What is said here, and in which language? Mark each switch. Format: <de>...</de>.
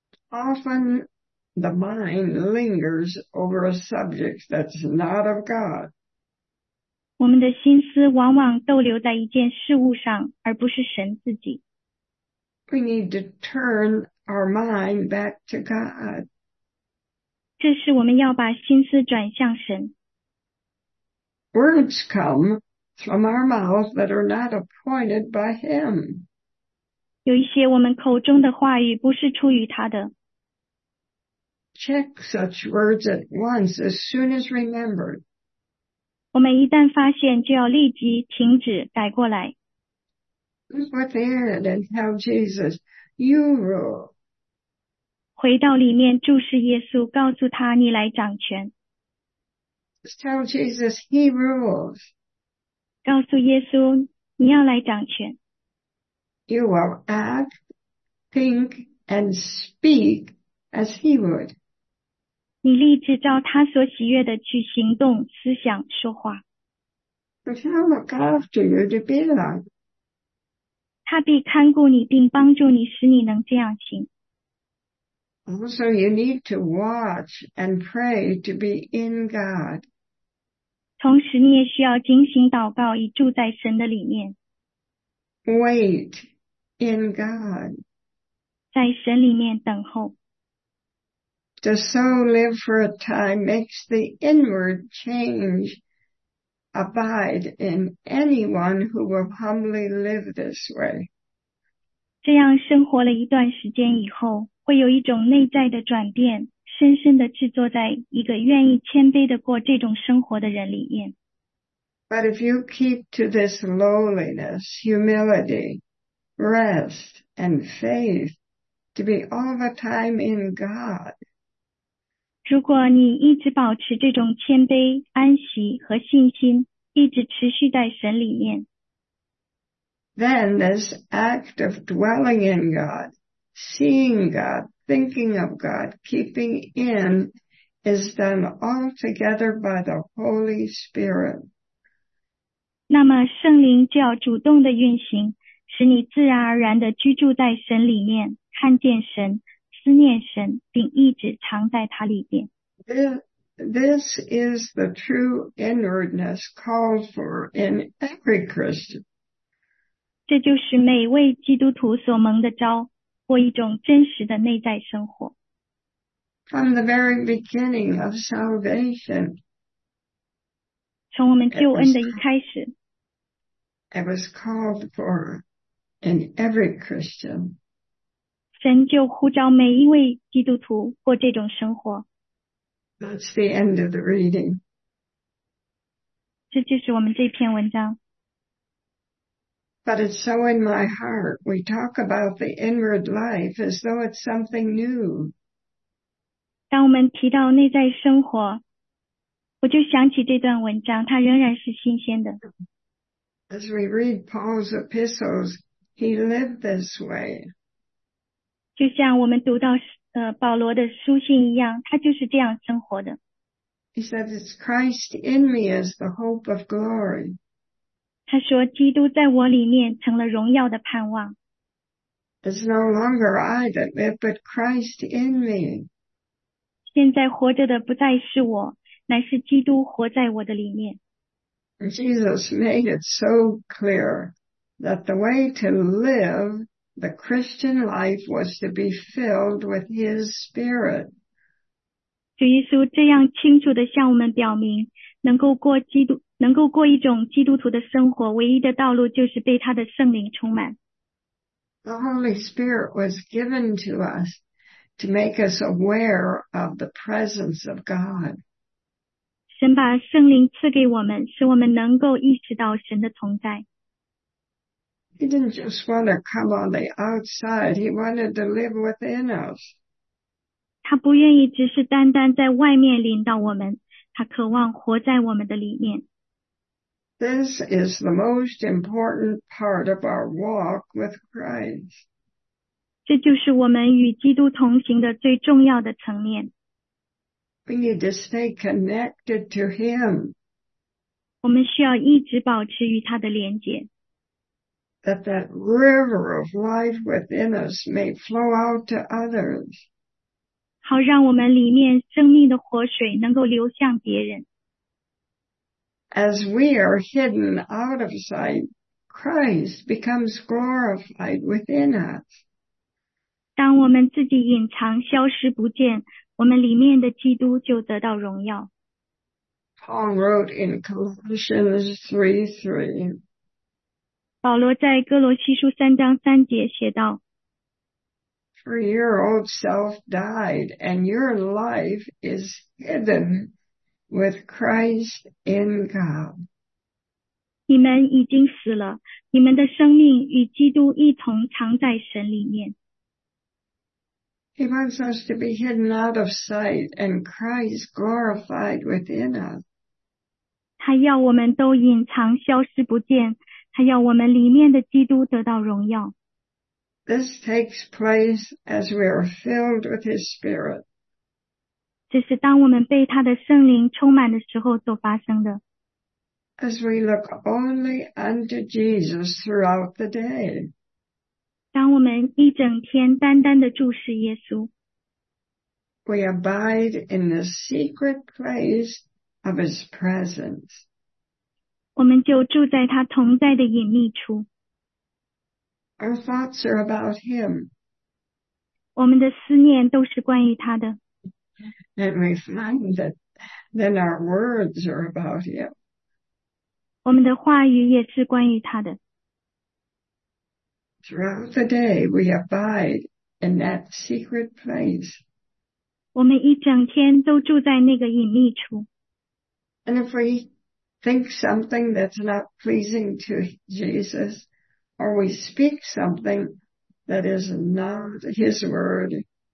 <en>Often the mind lingers over a subject that's not of God.</en> <zh>我们的心思往往逗留在一件事物上，而不是神自己。</zh> <en>We need to turn our mind back to God.</en> <zh>这是我们要把心思转向神。</zh> <en>Words come from our mouth that are not appointed by Him.</en> <zh>有一些我们口中的话语不是出于他的。</zh> <en>Check such words at once as soon as remembered.</en> <zh>我们一旦发现，就要立即停止，改过来。</zh> <en>Look within and tell Jesus, you rule.</en> <zh>回到里面，注视耶稣，告诉他，你来掌权。</zh> <en>Just tell Jesus, He rules.</en> <zh>告诉耶稣，你要来掌权。</zh> <en>You will act, think, and speak as He would.</en> <zh>你立志照他所喜悦的去行动、思想、说话。</zh> <en>He'll look after you to be like.</en> <zh>他必看顾你，并帮助你，使你能这样行。</zh> <en>Also, you need to watch and pray to be in God.</en> <zh>同时，你也需要警醒祷告，以住在神的里面。</zh> <en>Wait in God.</en> <zh>在神里面等候。</zh> <en>To so live for a time makes the inward change abide in anyone who will humbly live this way.</en> <zh>这样生活了一段时间以后，会有一种内在的转变，深深地制作在一个愿意谦卑地过这种生活的人里面。</zh> <en>But if you keep to this lowliness, humility, rest, and faith, to be all the time in God,</en> <zh>如果你一直保持这种谦卑、安息和信心，一直持续在神里面，</zh> <en>then this act of dwelling in God, seeing God, thinking of God, keeping in, is done altogether by the Holy Spirit.</en> <zh>那么圣灵就要主动的运行，使你自然而然地居住在神里面，看见神，思念神，并一直藏在他里边。</zh> <en>This is the true inwardness called for in every Christian.</en> <zh>这就是每位基督徒所蒙的召，过一种真实的内在生活。</zh> <en>From the very beginning of salvation,</en> <zh>从我们救恩的一开始，</zh> <en>it was called for in every Christian.</en> <zh>神就呼召每一位基督徒过这种生活。</zh> <en>That's the end of the reading.</en> <zh>这就是我们这篇文章。</zh> <en>But it's so in my heart. We talk about the inward life as though it's something new.</en> <zh>当我们提到内在生活，我就想起这段文章，它仍然是新鲜的。</zh> <en>As we read Paul's epistles, he lived this way.</en> <zh>就像我们读到保罗的书信一样，他就是这样生活的。</zh> <en>He says it's Christ in me as the hope of glory.</en> <zh>他说基督在我里面成了荣耀的盼望。</zh> <en>It's no longer I that live, but Christ in me.</en> <zh>现在活着的不再是我，乃是基督活在我的里面。</zh> <en>Jesus made it so clear that the way to live the Christian life was to be filled with His Spirit.</en> <zh>主耶稣这样清楚地向我们表明，能够过一种基督徒的生活，唯一的道路就是被他的圣灵充满。</zh> <en>The Holy Spirit was given to us to make us aware of the presence of God.</en> <zh>神把圣灵赐给我们，使我们能够意识到神的同在。</zh> <en>He didn't just want to come on the outside. He wanted to live within us.</en> <zh>他不愿意只是单单在外面领导我们，他渴望活在我们的里面。</zh> <en>This is the most important part of our walk with Christ.</en> <zh>这就是我们与基督同行的最重要的层面。</zh> <en>We need to stay connected to Him.</en> <zh>我们需要一直保持与他的连结。</zh> <en>That that river of life within us may flow out to others.</en> <zh>好让我们里面生命的活水能够流向别人。</zh> <en>As we are hidden out of sight, Christ becomes glorified within us.</en> <zh>当我们自己隐藏消失不见，我们里面的基督就得到荣耀。</zh> <en>Paul wrote in Colossians 3:3.</en> <zh>保罗在哥罗西书三章三节写道，</zh> <en>For your old self died, and your life is hidden with Christ in God.</en> <zh>你们已经死了，你们的生命与基督一同藏在神里面。</zh> <en>He wants us to be hidden out of sight, and Christ glorified within us.</en> <zh>他要我们都隐藏消失不见，他要我们里面的基督得到荣耀。</zh> <en>This takes place as we are filled with His Spirit.</en> <zh>这是当我们被他的圣灵充满的时候所发生的。</zh> <en>As we look only unto Jesus throughout the day.</en> <zh>当我们一整天单单地注视耶稣。</zh> <en>We abide in the secret place of His presence.</en> <zh>我们就住在他同在的隐秘处。</zh> <en>Our thoughts are about him.</en> <zh>我们的思念都是关于他的。</zh> <en>And we find that then our words are about him.</en> <zh>我们的话语也是关于他的。</zh> <en>Throughout the day, we abide in that secret place.</en> <zh>我们一整天都住在那个隐秘处。</zh> <en>And if we think something that's not pleasing to Jesus, or we speak something that is not his word.</en>